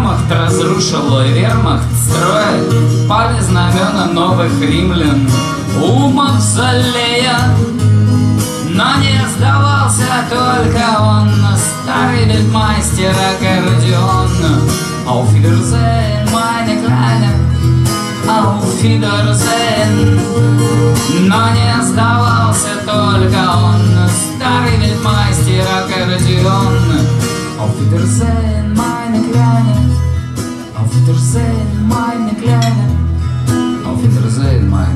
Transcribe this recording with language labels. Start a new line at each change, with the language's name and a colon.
Russian: Разрушил вермахт строй, пали знамена новых римлян, ума в залея. Но не сдавался только он, старый вельтмайстер аккордеон.
German: Auf Wiedersehen, meine Kleine, auf Wiedersehen.
Russian: Но не сдавался только он, старый вельтмайстер аккордеон.
German: Auf Wiedersehen, meine Kleine, Auf Wiedersehen, meine Kleine. Auf Wiedersehen.